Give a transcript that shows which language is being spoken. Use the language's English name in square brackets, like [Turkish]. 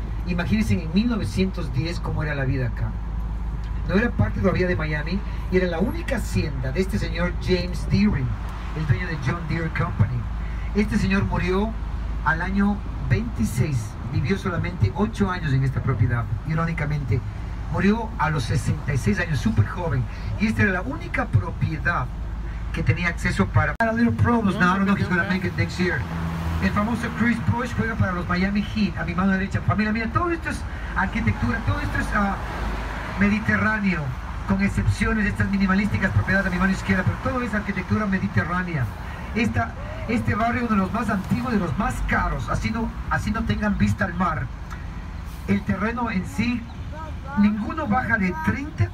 [Spanish] Imagínense en 1910 cómo era la vida acá. No era parte todavía de Miami y era la única hacienda de este señor James Deering, el dueño de John Deere Company. Este señor murió al año 26, vivió solamente 8 años en esta propiedad, irónicamente. Murió a los 66 años, súper joven. Y esta era la única propiedad que tenía acceso para... [English] A little problems now, I don't know if he's going to make it next year. [Spanish] El famoso Chris Bosh juega para los Miami Heat, a mi mano derecha. Familia mía, todo esto es arquitectura, todo esto es mediterráneo, con excepciones de estas minimalísticas propiedades a mi mano izquierda, pero todo es arquitectura mediterránea. Este barrio es uno de los más antiguos, de los más caros, así no tengan vista al mar. El terreno en sí, ninguno baja de 30 millones.